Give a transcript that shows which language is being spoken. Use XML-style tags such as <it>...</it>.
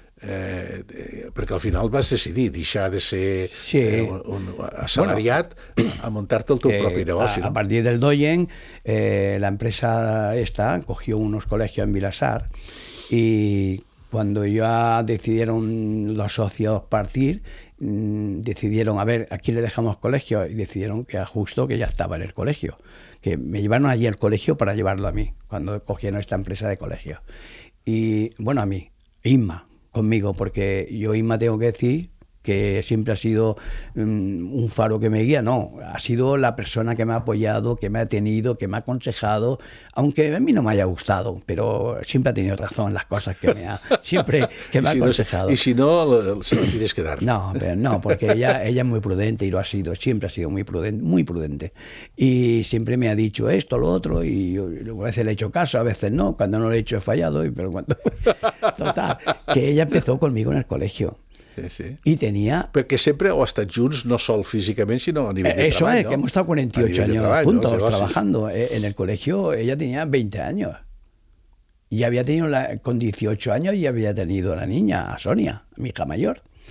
<ca>Perquè al final vas decidir deixar de ser un assalariat, bueno, a muntar-te el teu propi negoci.</ca> <es>A partir del Doyen, la empresa esta cogió unos colegios en Vilassar, y cuando ya decidieron los socios partir, decidieron, a ver, aquí le dejamos colegio, y decidieron que a Justo, que ya estaba en el colegio, que me llevaron allí al colegio para llevarlo a mí, cuando cogieron esta empresa de colegio. Y bueno, a mí, Inma, conmigo, porque yo, Inma, tengo que decir que siempre ha sido un faro que me guía, no, ha sido la persona que me ha apoyado, que me ha tenido, que me ha aconsejado, aunque a mí no me haya gustado, pero siempre ha tenido razón en las cosas que me ha, siempre que me ha aconsejado. Y si no, se lo tienes que dar. No, pero no, porque ella es muy prudente, y lo ha sido, siempre ha sido muy prudente, y siempre me ha dicho esto, lo otro, y yo, a veces le he hecho caso, a veces no, cuando no le he hecho he fallado, pero cuando... Total, que ella empezó conmigo en el colegio. Sí, sí. Y tenía...</es> <ca>Perquè sempre heu estat junts, no sol físicament, sinó a nivell de</ca> <es>eso</es> <ca>treball.</ca> <es>Eso es, ¿no? Que hemos estado 48 años juntos, ¿no? Trabajando. En el colegio ella tenía 20 años. Y había tenido, con 18 años, y había tenido la niña, a Sonia, mi hija mayor.</es>